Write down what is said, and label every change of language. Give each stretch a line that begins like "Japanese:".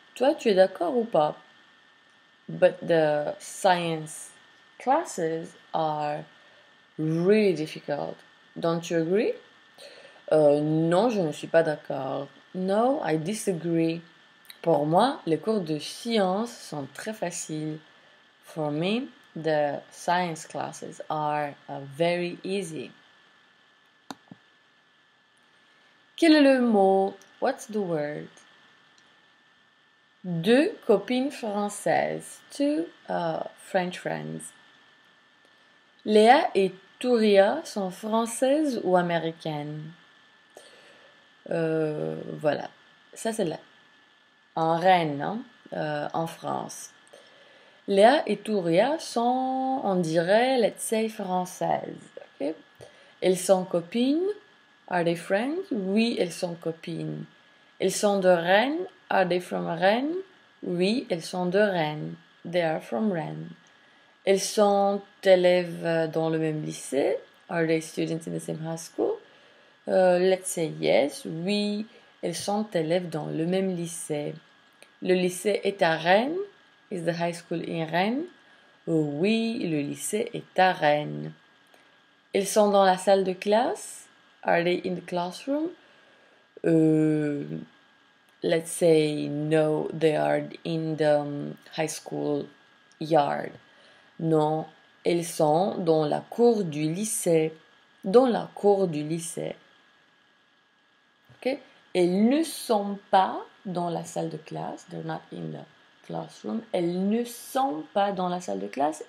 French: Toi, tu es d'accord ou pas?
English: But the science classes are really difficult. Don't you agree?
French: Non, je ne suis pas d'accord.
English: No, I disagree.
French: Pour moi, les cours de sciences sont très faciles.
English: For me, the science classes are very easy.
French: Quel est le mot?
English: What's the word?
French: Deux copines françaises.
English: Two French friends.
French: Léa et Touria sont françaises ou américaines? Voilà. Ça, c'est là. En Rennes, hein? En France. Léa et Touria sont, on dirait,
English: let's say,
French: françaises. Okay? Elles sont copines.
English: Are they friends?
French: Oui, elles sont copines. Elles sont de Rennes.
English: Are they from Rennes?
French: Oui, elles sont de Rennes.
English: They are from Rennes.
French: Elles sont élèves dans le même lycée.
English: Are they students in the same high school? Let's say yes.
French: Oui, elles sont élèves dans le même lycée. Le lycée est à Rennes.
English: Is the high school in Rennes?
French: Oui, le lycée est à Rennes. Elles sont dans la salle de classe.
English: Are they in the classroom? Let's say no, they are in the high school yard.
French: Non, elles sont dans la cour du lycée. Dans la cour du lycée. Ok? Elles ne sont pas dans la salle de classe.
English: They're not in the classroom.
French: Elles ne sont pas dans la salle de classe.